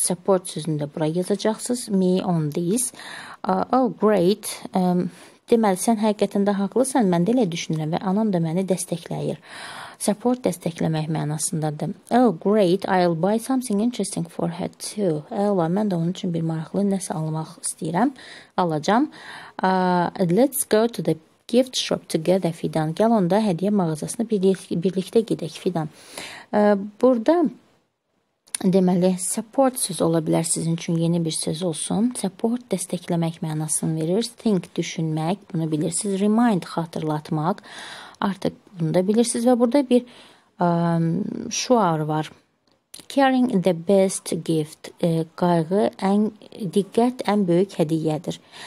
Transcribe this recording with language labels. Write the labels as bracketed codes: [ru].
[az] Support sözünü də bura yazacaqsınız. [en] Me on this. Oh, great. [az] Deməli, sən həqiqətən də haqlısan, mən də elə düşünürəm və anam da məni dəstəkləyir. Support dəstəkləmək mənasındadır. [en] Oh, great, I'll buy something interesting for her too. [az] Ela, mən də onun üçün bir maraqlı nəsə almaq istəyirəm, alacam. [en] Let's go to the gift shop together, Fidan. [az] Gəl onda hədiyə mağazasına birlikdə gedək, Fidan. Burada, deməli, support söz ola bilər sizin üçün yeni bir söz olsun. Support dəstəkləmək mənasını verir. Think, düşünmək, bunu bilirsiniz. Remind, xatırlatmaq. Artıq bunu da bilirsiniz. Və burada bir şuar var. [en] Caring the best gift. [az] Qayğı, ən, diqqət ən böyük hədiyyədir.